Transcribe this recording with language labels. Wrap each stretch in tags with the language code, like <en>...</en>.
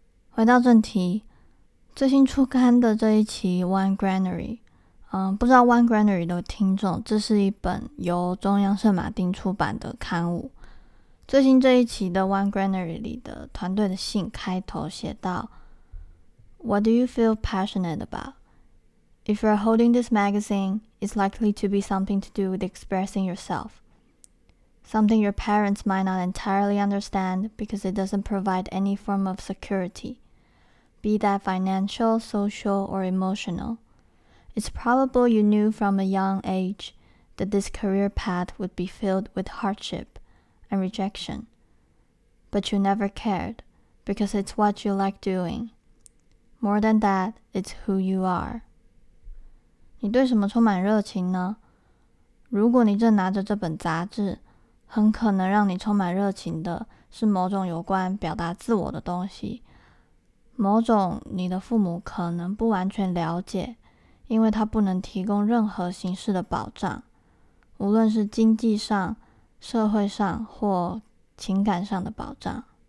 <zh>回到正题，最新出刊的这一期 One Granary， 不知道 One Granary 的听众，这是一本由中央圣马丁出版的刊物。最新这一期的 One Granary 里的团队的信开头写道</zh> <en>What do you feel passionate about? If you're holding this magazine, it's likely to be something to do with expressing yourself. Something your parents might not entirely understand because it doesn't provide any form of security, be that financial, social, or emotional. It's probable you knew from a young age that this career path would be filled with hardship. And rejection. But you never cared, because it's what you like doing. More than that, it's who you are.</en> <zh>你对什么充满热情呢？如果你正拿着这本杂志，很可能让你充满热情的是某种有关表达自我的东西，某种你的父母可能不完全了解，因为它不能提供任何形式的保障，无论是经济上社会上或情感上的保障。</zh>